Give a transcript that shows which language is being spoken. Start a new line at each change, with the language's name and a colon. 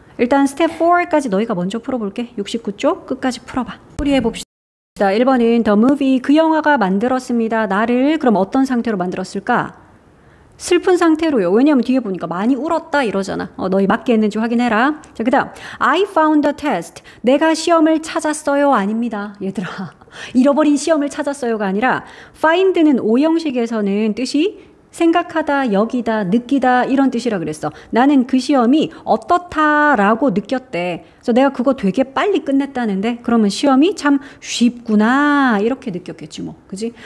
Korean: 일단 스텝 4까지 너희가 먼저 풀어볼게. 69쪽 끝까지 풀어봐. 풀이해봅시다. 1번은
English: The movie,
Korean: 그 영화가 만들었습니다. 나를 그럼 어떤 상태로 만들었을까? 슬픈 상태로요. 왜냐면 뒤에 보니까 많이 울었다 이러잖아. 너희 맞게 했는지 확인해라. 자, 그 다음
English: I found a test.
Korean: 내가 시험을 찾았어요. 아닙니다. 얘들아, 잃어버린 시험을 찾았어요가 아니라 find는 5형식에서는 뜻이 생각하다, 여기다, 느끼다 이런 뜻이라 그랬어. 나는 그 시험이 어떻다라고 느꼈대. 그래서 내가 그거 되게 빨리 끝냈다는데 그러면 시험이 참 쉽구나 이렇게 느꼈겠지 뭐. 그지?